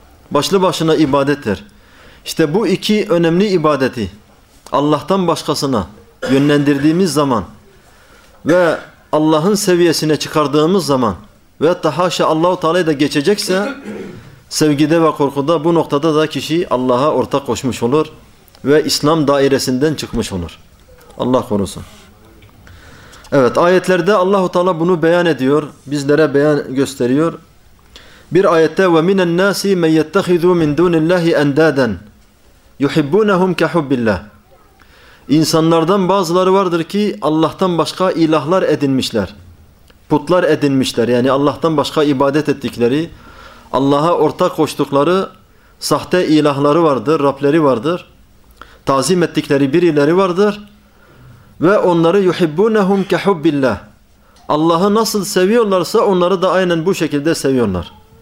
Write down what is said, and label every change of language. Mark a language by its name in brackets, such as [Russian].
[Turkish] Başlı başına ibadettir. İşte bu iki önemli ibadeti Allah'tan başkasına yönlendirdiğimiz zaman ve Allah'ın seviyesine çıkardığımız zaman ve hatta haşa Allah-u Teala'yı da geçecekse sevgide ve korkuda bu noktada da kişi Allah'a ortak koşmuş olur ve İslam dairesinden çıkmış olur. Allah korusun. Evet, ayetlerde Allah-u Teala bunu beyan ediyor. Bizlere beyan gösteriyor. Bir ayette [Arabic] وَمِنَ النَّاسِ مَنْ يَتَّخِذُوا مِنْ دُونِ اللّٰهِ اَنْدَادًا يُحِبُّونَهُمْ كَحُبِّ اللّٰهِ [Turkish] İnsanlardan bazıları vardır ki Allah'tan başka ilahlar edinmişler. Putlar edinmişler. Yani Allah'tan başka ibadet ettikleri, Allah'a ortak koştukları sahte ilahları vardır, Rableri vardır. Tazim ettikleri birileri vardır. Ve onları [Arabic] yuhibbunehum kehubbillah. [Turkish] Allah'ı nasıl seviyorlarsa onları da aynen bu şekilde seviyorlar.